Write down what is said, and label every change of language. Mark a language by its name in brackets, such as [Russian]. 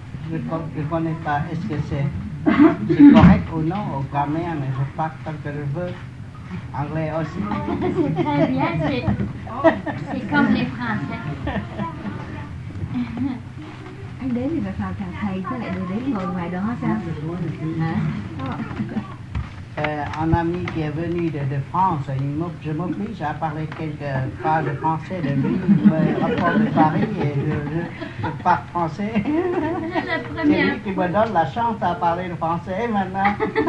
[French] je ne connais pas, est-ce que c'est correct ou non, au grammaire, mais je parle tant que je veux. Anglais aussi. C'est très bien, c'est comme les Français. [Vietnamese] Anh đến thì phải vào thằng thầy, chứ lại đến ngồi ngoài đó sao? [French] Un ami qui est venu de France, je m'oblige à parler quelques phrases de français de lui. Il me rapporte de Paris et je parle français. La première. C'est lui qui me donne la chance à parler le français maintenant.